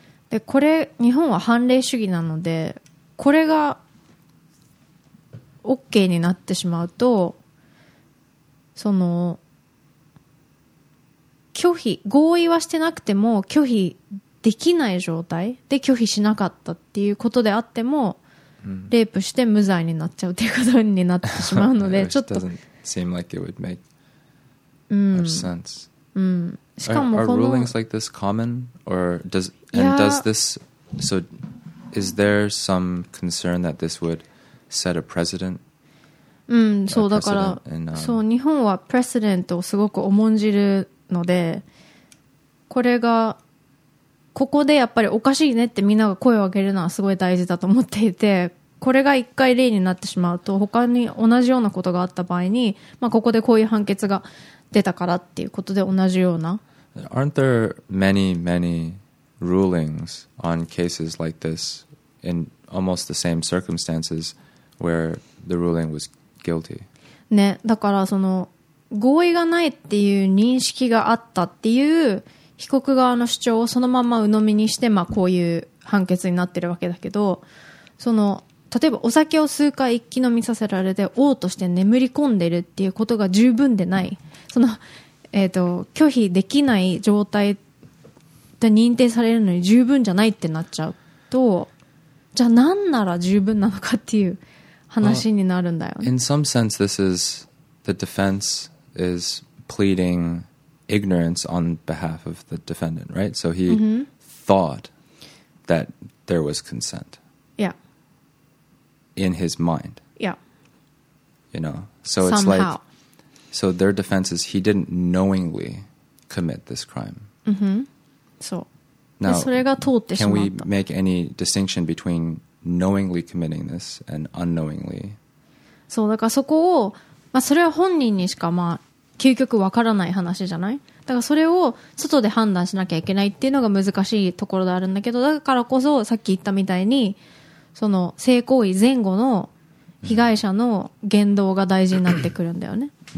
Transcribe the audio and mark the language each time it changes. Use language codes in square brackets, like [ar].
[ja] でこれ日本は判例主義なので、これがオッケーになってしまうと、その拒否、合意はしてなくても拒否できない状態で拒否しなかったっていうことであっても、うん、レイプして無罪になっちゃうっていうことになってしまうので、ちょっと [en] doesn't seem like it would make much sense. [ja] しかもこの [en] are rulings like this common or does and does this so is there some concern that this would set a precedent? [ja] そうだから、そう、日本はプレセデントをすごく重んじるので、これがここでやっぱりおかしいねってみんなが声を上げるのはすごい大事だと思っていて、これが一回例になってしまうと他に同じようなことがあった場合に、まあ、ここでこういう判決が出たからっていうことで同じような。 [en] Aren't there many, many rulings on cases like this in almost the same circumstances? Where the ruling was guilty. [ja] ね、だからその合意がないっていう認識があったっていう被告側の主張をそのまま鵜呑みにして、まあ、こういう判決になってるわけだけど、その例えばお酒を数回一気飲みさせられて嘔吐して眠り込んでるっていうことが十分でない、その、拒否できない状態で認定されるのに十分じゃないってなっちゃうと、じゃあ何なら十分なのかっていう話になるんだよね。 [en] Well, in some sense, this is the defense is pleading ignorance on behalf of the defendant, right? So he thought that there was consent. Yeah. In his mind. Yeah. You know, so it's like, so their defense is he didn't knowingly commit this crime. Now, can we make any distinction between knowingly committing this and unknowingly? [ja] そう、だからそこを、まあ、それは本人にしか、まあ、究極わからない話じゃない？だからそれを外で判断しなきゃいけないっていうのが難しいところであるんだけど、だからこそさっき言ったみたいに、その性行為前後の被害者の言動が大事になってくるんだよね。